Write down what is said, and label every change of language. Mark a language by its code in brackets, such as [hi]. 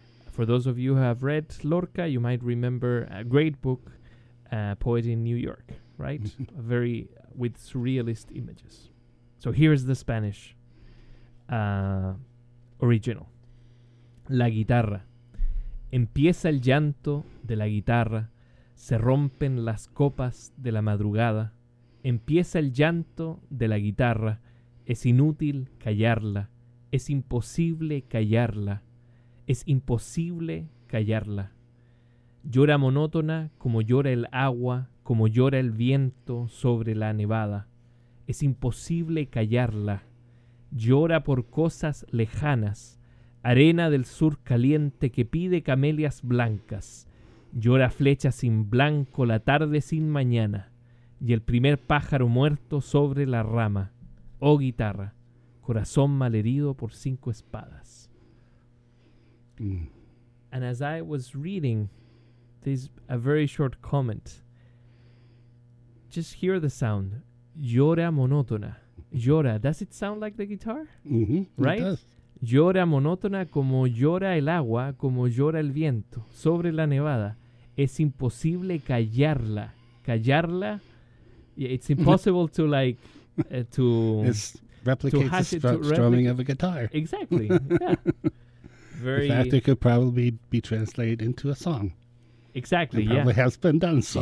[en] For those of you who have read Lorca, you might remember a great book, Poet in New York, right? Very with surrealist images. So here's the Spanish original. [es] La guitarra. Empieza el llanto de la guitarra. Se rompen las copas de la madrugada. Empieza el llanto de la guitarra. Es inútil callarla. Es imposible callarla. Es imposible callarla. Llora monótona como llora el agua, como llora el viento sobre la nevada. Es imposible callarla. Llora por cosas lejanas. Arena del sur caliente que pide camelias blancas. Llora flecha sin blanco, la tarde sin mañana, y el primer pájaro muerto sobre la rama. Oh guitarra, corazón malherido por cinco espadas. [en] And as I was reading this, a very short comment. Just hear the sound. [es] Llora monótona. Llora. [en] Does it sound like the guitar? Mm-hmm. Right? It does. [es] Llora monótona como llora el agua, como llora el viento, sobre la nevada. Es imposible callarla. Callarla. [en] Yeah, it's impossible to like to it's Replicates the strumming of a guitar. Exactly. Yeah. Very. In fact, it could probably be translated into a song. Exactly. It probably has been done so.